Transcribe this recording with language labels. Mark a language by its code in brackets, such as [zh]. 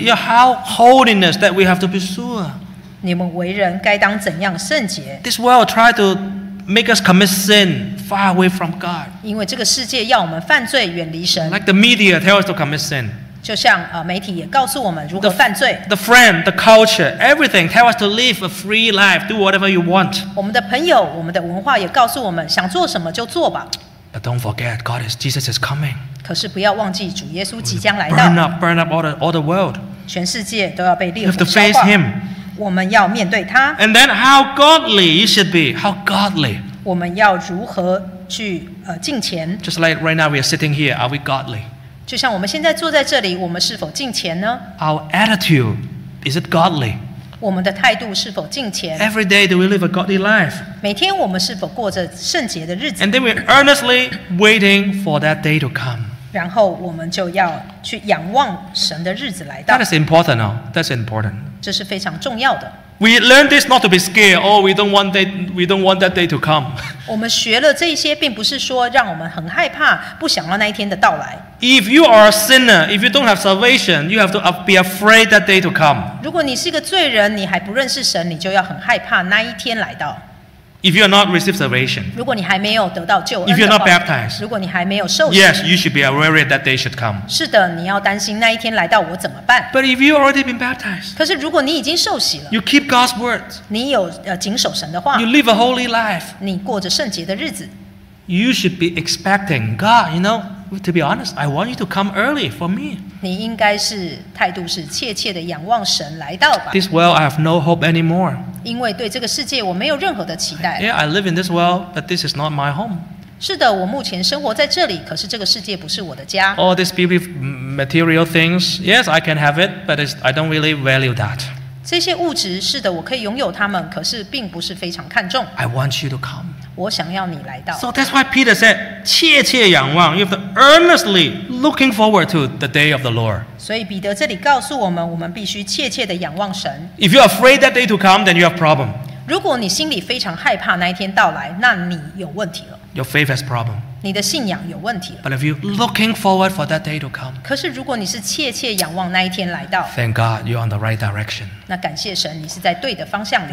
[en] You have holiness that we have to pursue. [zh] 你们为人该当怎样圣洁？ [en] This world tries to make us commit sin far away from God. [zh] 因为这个世界要我们犯罪，远离神。 [en] Like the media tells us to commit sin. [zh] 就像媒体也告诉我们如何犯罪。 [en] The friend, the culture, everything tells us to live a free life, do whatever you want. [zh] 我们的朋友，我们的文化也告诉我们，想做什么就做吧。 [en] But don't forget, God is Jesus is coming. [zh] 可是不要忘记，主耶稣即将来到。 [en] Burn up all the world. [zh] 全世界都要被烈火烧化。 [en] We have to face Him. [zh] 我们要面对他。 [en] And then how godly you should be, how godly. [zh] 我们要如何去敬虔 [en] ？Just like right now we are sitting here, are we godly? [zh] 就像我们现在坐在这里，我们是否敬虔呢 [en] ？Our attitude is it godly？ [zh] 我们的态度是否敬虔 [en] ？Every day do we live a godly life？ [zh] 每天我们是否过着圣洁的日子 [en] ？And then we earnestly waiting for that day to come。 [zh] 然后我们就要去仰望神的日子来到。 [en] That is important, oh, that's important。 [zh] 这是非常重要的。 [en] We learn this not to be scared. Oh, we don't want that day to come. [zh] 我们学了这些，并不是说让我们很害怕，不想要那一天的到来。 [en] If you are a sinner, if you don't have salvation, you have to be afraid that day to come. [zh] 如果你是个罪人，你还不认识神，你就要很害怕那一天来到。 [en] If you are not received salvation, [zh] 如果你还没有得到救恩的话 [en] ，If you are not baptized, [zh] 如果你还没有受洗 [en] ，Yes, you should be worried that day should come. [zh] 是的，你要担心那一天来到我怎么办 [en] ？But if you already been baptized, [zh] 可是如果你已经受洗了 [en] ，You keep God's word. [zh] 你有谨守神的话 [en] ，You live a holy life. [zh] 你过着圣洁的日子 [en] ，You should be expecting God. You know, to be honest, I want you to come early for me. [zh] 你应该是态度是切切的仰望神来到吧。 [en] This world, I have no hope anymore. [zh] 因为对这个世界我没有任何的期待。 [en] Yeah, I live in this world, but this is not my home. [zh] 是的，我目前生活在这里，可是这个世界不是我的家。 [en] All these beautiful material things, yes, I can have it, but I don't really value that. [zh] 这些物质，是的，我可以拥有它们，可是并不是非常看重。 [en] I want you to come. [zh] 我想要你来到。 [en] So that's why Peter said, [zh] 切切仰望 [en] ，you have to earnestly looking forward to the day of the Lord. [zh] 所以彼得这里告诉我们，我们必须切切的仰望神。 [en] If you're afraid that day to come, then you have problem. [zh] 如果你心里非常害怕那一天到来，那你有问题了。 [en] Your faith has problem. [zh] 你的信仰有问题了。 [en] But if you looking forward for that day to come, [zh] 可是如果你是切切仰望那一天来到 [en] ，Thank God you're on the right direction. [zh] 那感谢神，你是在对的方向里。